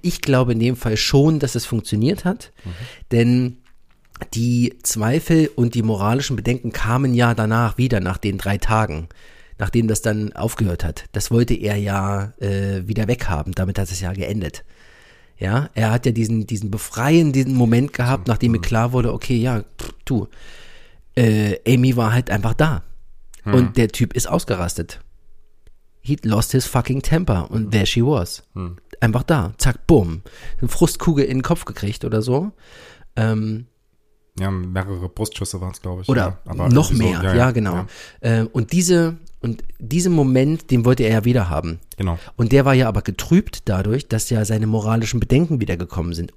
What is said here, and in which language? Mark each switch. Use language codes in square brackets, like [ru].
[de] Ich glaube in dem Fall schon, dass es funktioniert hat, denn die Zweifel und die moralischen Bedenken kamen ja danach wieder, nach den 3 Tagen, nachdem das dann aufgehört hat. Das wollte er ja wieder weghaben, damit hat es ja geendet. Ja, er hat ja diesen befreienden Moment gehabt, nachdem mir klar wurde, okay, ja, Amy war halt einfach da. Und der Typ ist ausgerastet. [en] He lost his fucking temper [de] und [en] there she was. [de] Einfach da, zack, bumm. Eine Frustkugel in den Kopf gekriegt oder so. Ja, mehrere Brustschüsse waren es, glaube ich. Oder ja. Aber noch mehr, so, ja, genau. Ja. Und diesen Moment, den wollte er ja wieder haben. Genau. Und der war ja aber getrübt dadurch, dass ja seine moralischen Bedenken wiedergekommen sind.